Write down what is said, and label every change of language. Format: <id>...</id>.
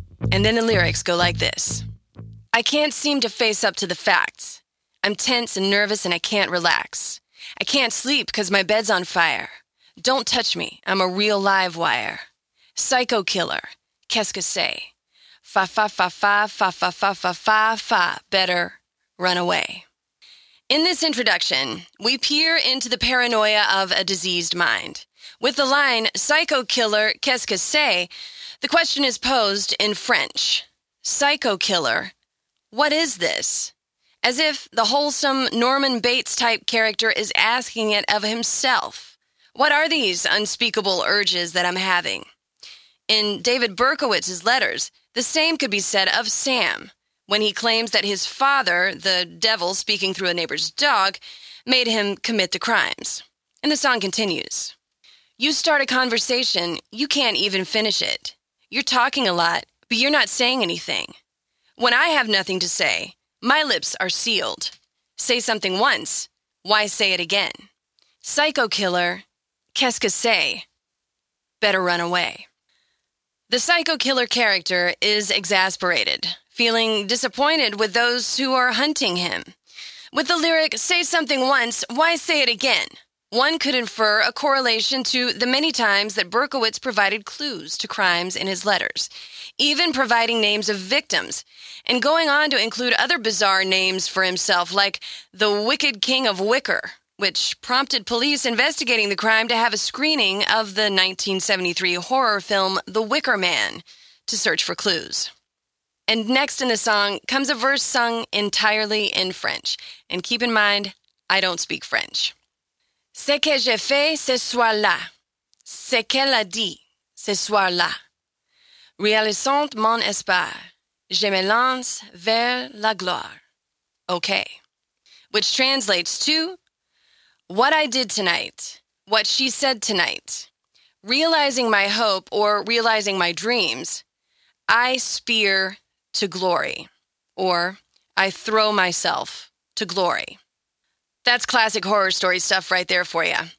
<en>And then the lyrics go like this. "I can't seem to face up to the facts. I'm tense and nervous and I can't relax. I can't sleep because my bed's on fire. Don't touch me, I'm a real live wire. Psycho killer,</en> <fr>qu'est-ce que c'est?</fr> <en>Fa fa fa fa fa fa fa fa fa fa, better run away." In this introduction, we peer into the paranoia of a diseased mind. With the line, "Psycho killer,</en> <fr>qu'est-ce que c'est?"</fr> <en>the question is posed in French. Psycho killer, what is this? As if the wholesome Norman Bates-type character is asking it of himself. What are these unspeakable urges that I'm having? In David Berkowitz's letters, the same could be said of Sam, when he claims that his father, the devil speaking through a neighbor's dog, made him commit the crimes. And the song continues. "You start a conversation, you can't even finish it. You're talking a lot, but you're not saying anything. When I have nothing to say, my lips are sealed. Say something once, why say it again? Psycho killer,</en> <fr>qu'est-ce que c'est?</fr> <en>Better run away." The psycho killer character is exasperated, feeling disappointed with those who are hunting him. With the lyric, "Say something once, why say it again?" one could infer a correlation to the many times that Berkowitz provided clues to crimes in his letters, even providing names of victims, and going on to include other bizarre names for himself, like the Wicked King of Wicker, which prompted police investigating the crime to have a screening of the 1973 horror film The Wicker Man to search for clues. And next in the song comes a verse sung entirely in French. And keep in mind, I don't speak French.</en> <fr>"Ce que j'ai fait ce soir-là, ce qu'elle a dit ce soir-là, réalisant mon espoir, je me lance vers la gloire."</fr> <en>Okay. Which translates to, "What I did tonight, what she said tonight, realizing my hope or realizing my dreams, I spear to glory," or "I throw myself to glory." That's classic horror story stuff right there for you.</en>